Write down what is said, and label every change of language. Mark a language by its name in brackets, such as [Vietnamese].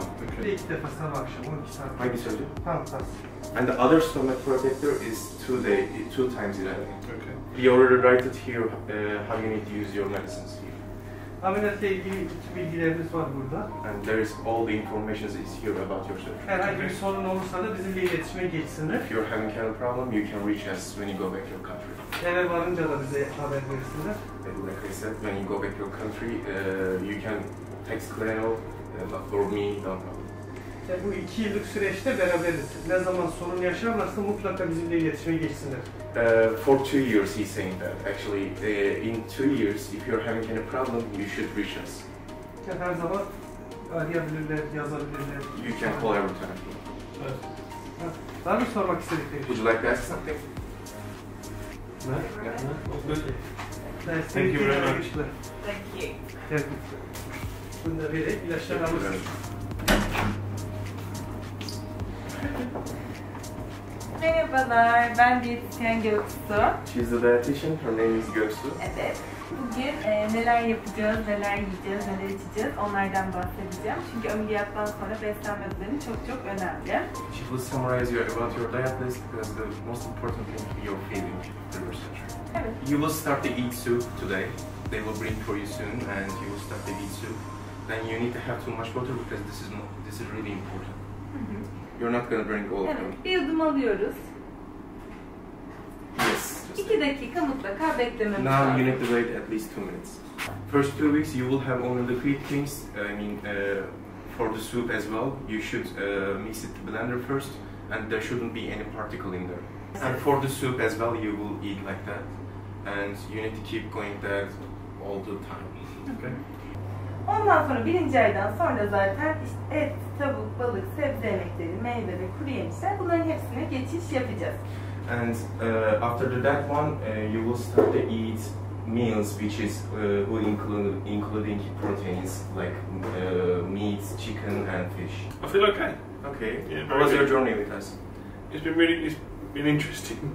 [Turkish] Okay. 2 defa sabah akşam 12 saat. Hangi sözü? Pantas. [English] And the other stomach protector is 2 times in a day. Okay. We already write it here how you need to use your medicines here. [Turkish] Ameliyatla ilgili bilgilerimiz var burada. [English] And there is all the information is here about your surgery. [Turkish] Herhangi bir sorun olursa da bizimle iletişime geçsiniz. [English] If you're having a problem, you can reach us when you go back to your country. [Turkish] Eve varınca da bize haber verirsiniz. [English] And like I said, when you go back to your country, you can text Cleo or me, don't problem. [Turkish] Bu iki yıllık süreçte beraberiz. Ne zaman sorun yaşarlarsa mutlaka bizimle iletişime geçsinler. [English] For 2 years, he's saying that. Actually, in 2 years, if you're having any problem, you should reach us. [Turkish] Ya, her zaman arayabilirler, yazabilirler. [English] You can call every time. [Turkish] Evet. Daha bir sormak istedikleri. [English] Would you like to ask something? [Turkish] Ne? Ne? Okay. [English] Thank you very much. Thank you. Thank you. [Turkish] Bunu da verip ilaçlarına alırsınız. Merhabalar, ben diyetisyen Göksu. [English] She's a dietitian, her name is Göksu. [Turkish] Evet, bugün neler yapacağız, neler yiyeceğiz, neler içeceğiz onlardan bahsedeceğim. Çünkü ameliyattan sonra beslenme düzeni çok çok önemli. [English] She will summarize you about your diet list because the most important thing is your feeding [Turkish] Evet. [English] You will start to eat soup today. They will bring for you soon and you will start to eat soup. Then you need to have too much water because this is really important. You're not gonna drink all of them. [Turkish] Evet, bir yudum alıyoruz. [English] Yes. [Turkish] 2 dakika mutlaka beklememiz lazım. [English] you need to wait at least 2 minutes. First 2 weeks you will have only the liquid things. I mean, for the soup as well, you should mix it to blender first, and there shouldn't be any particle in there. And for the soup as well, you will eat like that, and you need to keep going that all the time. Okay. [Turkish] Ondan sonra birinci aydan sonra zaten işte et, tavuk, balık, sebze yemekleri, meyve ve kuru yemişler bunların hepsine geçiş yapacağız. [English] And after that one, you will start to eat meals which is including proteins like meat, chicken and fish. I feel okay. Okay. Yeah, how was your journey with us? It's been interesting.